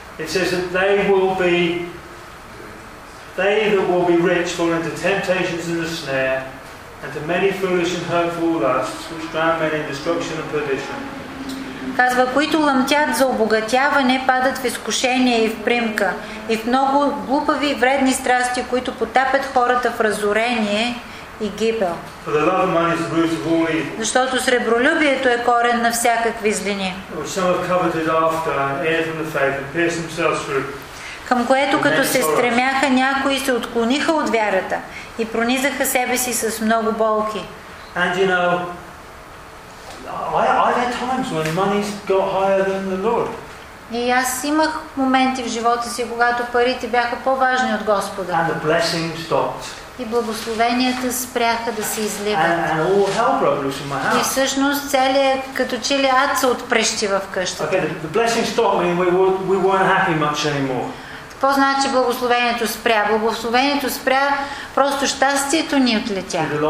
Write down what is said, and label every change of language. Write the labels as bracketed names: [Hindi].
[English] It says that they that will be rich fall into temptations and a snare, and to many foolish and hurtful lusts, which drown men in destruction and perdition. [Bulgarian] Казва, които лъмтят за обогатяване, падат в изкушение и в примка, и в много глупави и вредни страсти, които потапят хората в разорение и гибел. [English] For the love of money is the root of all evil. [Bulgarian] Защото сребролюбието е корен на всякакви злини. [English] Some have coveted after and erred from the faith and pierced themselves through. [Bulgarian] Към което като се стремяха някои се отклониха от вярата и пронизаха себе си с много болки. [English] And you know, I had times when money's got higher than the Lord. [Bulgarian] И аз имах моменти в живота си, когато парите бяха по-важни от Господа. [English] And the blessing stopped. [Bulgarian] И благословенията спряха да се изливат. [English] And [Bulgarian] и всъщност целият като че ли ад се отпрещи в къщата. [English] Okay, the blessing stopped and we weren't happy much anymore. [Bulgarian] Какво значи благословението спря? Благословението спря, просто щастието ни отлетя.